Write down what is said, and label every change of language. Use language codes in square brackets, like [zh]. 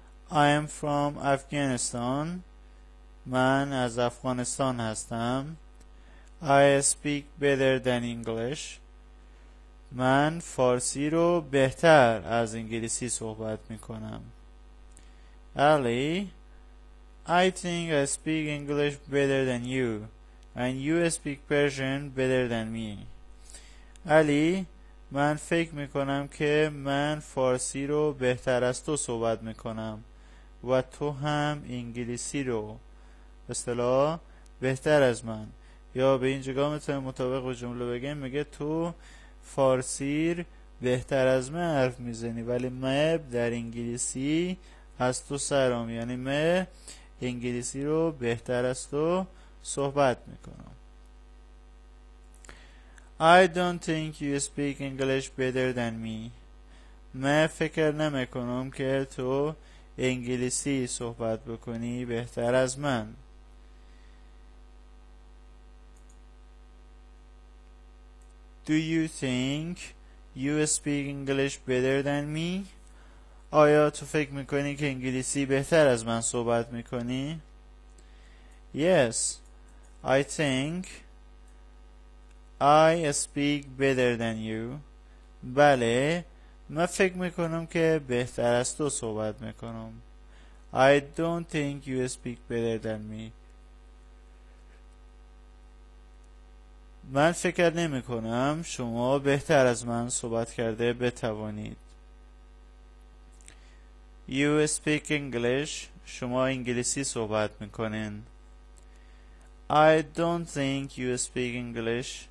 [en] I am from Afghanistan. [fa] من از افغانستان هستم. [en] I speak better than English. [fa] من فارسی رو بهتر از انگلیسی صحبت می کنم. [en] Ali, I think I speak English better than you, and you speak Persian better than me. [fa] Ali, من فکر می کنم که من فارسی رو بهتر از تو صحبت می کنم و تو هم انگلیسی رو به اصطلاح بهتر از من، یا به این جگاه می تونیم مطابق به جمله بگیم، میگه تو فارسی رو بهتر از من حرف می زنی ولی من در انگلیسی از تو سرم، یعنی من انگلیسی رو بهتر از تو صحبت می کنم. [en] I don't think you speak English better than me. [fa] من فکر نمی کنم که تو انگلیسی صحبت بکنی بهتر از من. [en] Do you think you speak English better than me? [fa] آیا تو فکر میکنی که انگلیسی بهتر از من صحبت میکنی؟ [en] Yes, I think I speak better than you. [fa] بله، من فکر میکنم که بهتر از تو صحبت میکنم. [en] I don't think you speak better than me. [fa] من فکر نمی کنم شما بهتر از من صحبت کرده بتوانید. [en] You speak English. [fa] شما انگلیسی صحبت میکنین. [en] I don't think you speak English.